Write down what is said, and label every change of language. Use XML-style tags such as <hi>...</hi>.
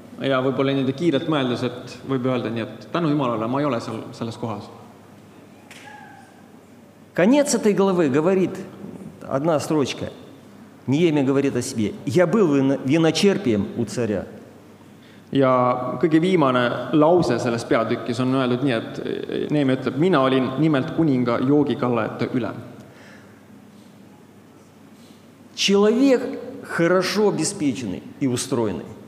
<et>Ja võib-olla nende kiirelt mõeldes, et võib öelda nii, et tänu Jumalale, ma ei ole selles kohas.</et> <ru>Конец этой главы говорит, одна строчка, Неемия говорит о себе, я был виночерпием у царя.</ru> <et>Ja kõige viimane lause selles peatükkis on öeldud nii, et Neemia ütleb, mina olin nimelt kuninga joogikallajate üle.</et> <ru>Человек хорошо обеспеченный и устроенный.</ru>